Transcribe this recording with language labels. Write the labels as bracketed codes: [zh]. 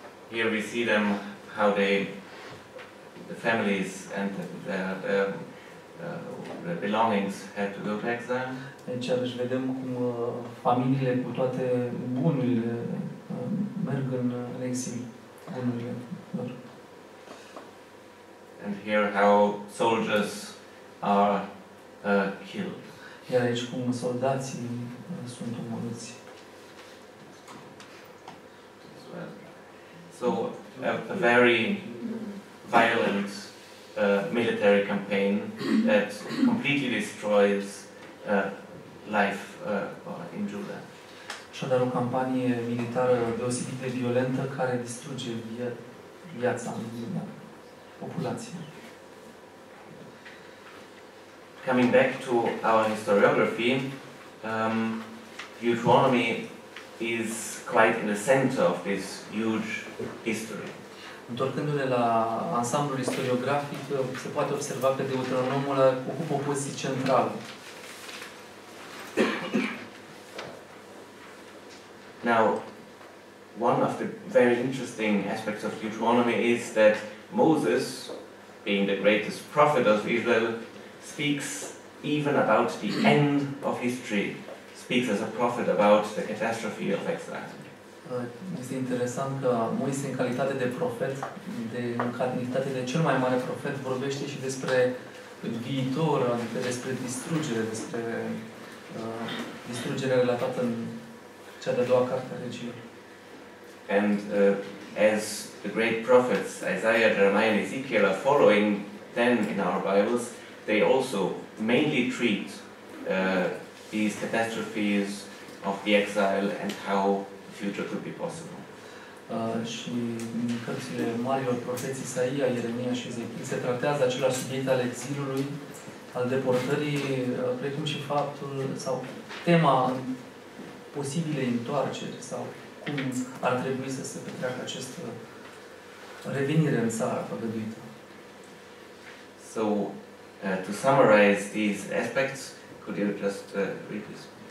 [en] Here we see them how they the families and their belongings had to go to exile. [ro] Deci aici vedem cum familiile cu toate bunurile merg în exil. [en] And here how soldiers are killed. [ro] Iar aici cum soldații sunt omorâți. [en] So a very violent military campaign that completely destroys life in Judah. [ro] Așadar, o campanie militară deosebit de violentă care distruge viața populației. [en] Coming back to our historiography, Deuteronomy is quite in the center of this huge history. [ro] Întorcându-ne la ansamblul istoriografic, se poate observa că Deuteronomul ocupă o poziție centrală. [en] Now, one of the very interesting aspects of Deuteronomy is that Moses, being the greatest prophet of Israel, speaks even about the end of history, speaks as a prophet about the catastrophe of exile. [ro] Este interesant că Moise, în calitate de profet, în calitate de cel mai mare profet, vorbește și despre viitor, adică despre distrugere, despre distrugerea relatată în cea de-a doua carte a Regilor. [en] And as the great prophets, Isaiah, Jeremiah, and Ezekiel are following them in our Bibles, they also mainly treat these catastrophes of the exile and how the future could be possible. [ro] Și în cărțile marilor profeți Isaia, Ieremia și Ezechiel se tratează același subiect al exilului, al deportării, precum și faptul sau tema posibilei întoarceri sau cum ar trebui să se petreacă această revenire în țara păgăduită. [en] So, to summarize these aspects, could you just read this?